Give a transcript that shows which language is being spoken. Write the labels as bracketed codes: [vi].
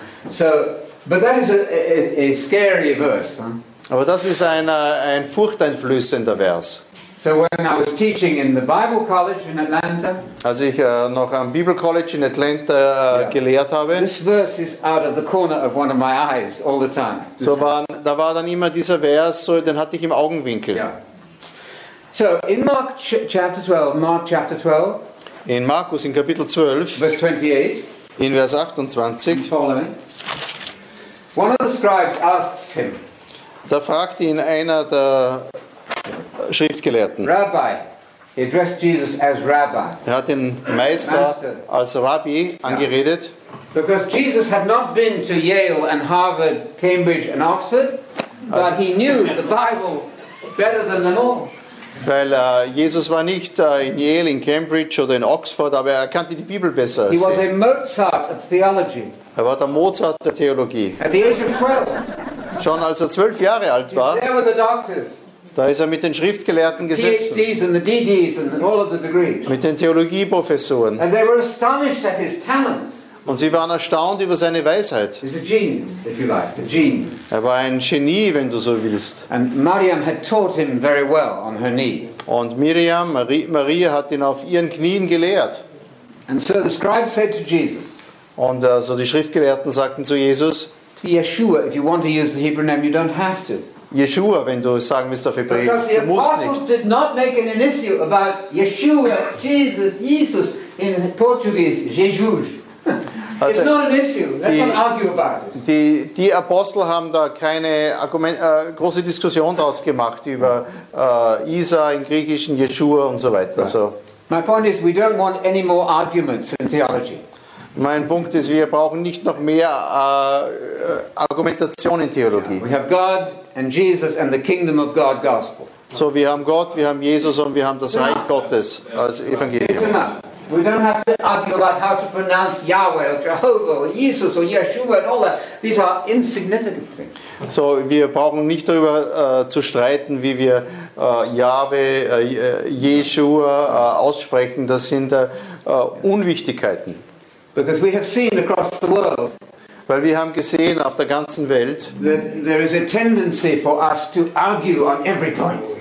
[en] So, but that is a scary verse. [de] Aber das ist ein furchteinflößender Vers. [en] So when I was teaching in the Bible College in Atlanta, [de] als ich noch am Bible College in Atlanta gelehrt habe, [en] this verse is out of the corner of one of my eyes all the time. [de] So war dann immer dieser Vers, so den hatte ich im Augenwinkel. [en] So in Mark chapter 12, Mark chapter 12, [de] in Markus in Kapitel 12, [en] verse 28, [de] in Vers 28, [en] following, one of the scribes asks him. [de] Da fragte ihn einer der Schriftgelehrten. [en] Rabbi. He addressed Jesus as Rabbi. [de] Er hat den Meister als Rabbi angeredet. [en] Because Jesus had not been to Yale and Harvard, Cambridge and Oxford, but also, he knew the Bible better than them all. [de] Weil Jesus war nicht in Yale, in Cambridge oder in Oxford, aber er kannte die Bibel besser. [en] He was a Mozart of theology. [de] Er war der Mozart der Theologie. [en] At the age of 12. [de] Schon als er 12 Jahre alt war. [en] He's there with the doctors. [de] Da ist er mit den Schriftgelehrten gesessen. [en] PhDs and the DDs and all of the degrees. [de] Mit den Theologieprofessoren. [en] And they were astonished at his talent. [de] Und sie waren erstaunt über seine Weisheit. [en] He's a genius, if you like, a genius. [de] Er war ein Genie, wenn du so willst. [en] And Mariam had taught him very well on her knee. [de] Und Maria hat ihn auf ihren Knien gelehrt. [en] And so the scribes said to Jesus. [de] Und so die Schriftgelehrten sagten zu Jesus. [en] Yeshua, if you want to use the Hebrew name, you don't have to. [de] Yeshua, wenn du sagen willst auf Hebräisch, [en] because the apostles did not make an issue about Yeshua, Jesus, Jesus in Portuguese, Jesus. Also, it's not an issue. Let's not argue about it. [de] Die Apostel haben da keine große Diskussion daraus gemacht über Isa im Griechischen, Yeshua und so weiter. [en] Right. So. My point is, we don't want any more arguments in theology. [de] Mein Punkt ist, wir brauchen nicht noch mehr Argumentation in Theologie. [en] We have God and Jesus and the Kingdom of God gospel. [de] So, wir haben Gott, wir haben Jesus und wir haben das Reich Gottes als Evangelium. [en] It's enough. We don't have to argue about how to pronounce Yahweh or Jehovah or Jesus or Yeshua and all that. These are insignificant things. [de] So, wir brauchen nicht darüber zu streiten, wie wir Yahweh, Yeshua aussprechen. Das sind Unwichtigkeiten. [en] Because we have seen across the world, [de] weil wir haben gesehen auf der ganzen Welt, [en] that there is a tendency for us to argue on every point.